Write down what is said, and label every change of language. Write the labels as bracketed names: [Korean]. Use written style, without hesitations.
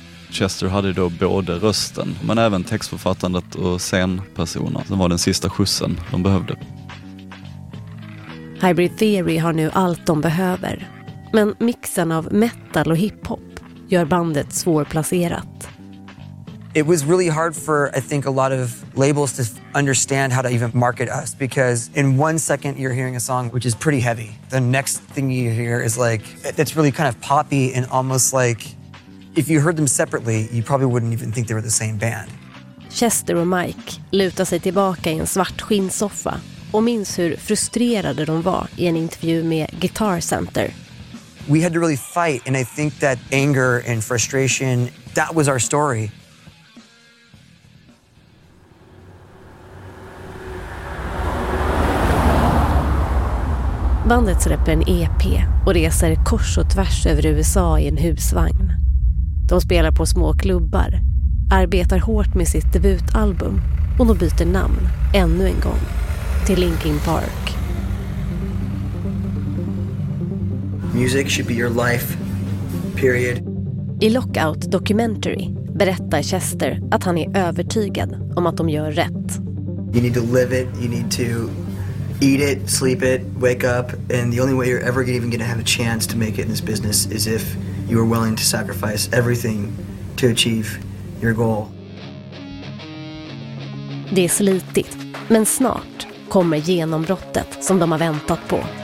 [Swedish] Chester hade då både rösten, men även textförfattandet och scenpersonerna som var den sista skjutsen de behövde. Hybrid Theory har nu allt de behöver. Men mixen av metal och hiphop gör bandet svårplacerat. [English] It was really hard for I think a lot of labels to understand how to even market us, because in one second you're hearing a song which is pretty heavy. The next thing you hear is like that's really kind of poppy, and almost like if you heard them separately you probably wouldn't even think they were the same band. [Swedish] Chester och Mike lutar sig tillbaka i en svart skinnsoffa och minns hur frustrerade de var i en intervju med Guitar Center. [English] We had to really fight, and I think that anger and frustration, that was our story. [Swedish] Bandet släpper en EP och reser kors och tvärs över USA i en husvagn. De spelar på små klubbar, arbetar hårt med sitt debutalbum och de byter namn ännu en gång till Linkin Park. [English] Music should be your life, period. [Swedish] I Lockout Documentary berättar Chester att han är övertygad om att de gör rätt. [English] You need to live it, you need to eat it, sleep it, wake up, and the only way you're ever even going to have a chance to make it in this business is if you are willing to sacrifice everything to achieve your goal. [Swedish] Det är slitigt, men snart kommer genombrottet som de har väntat på.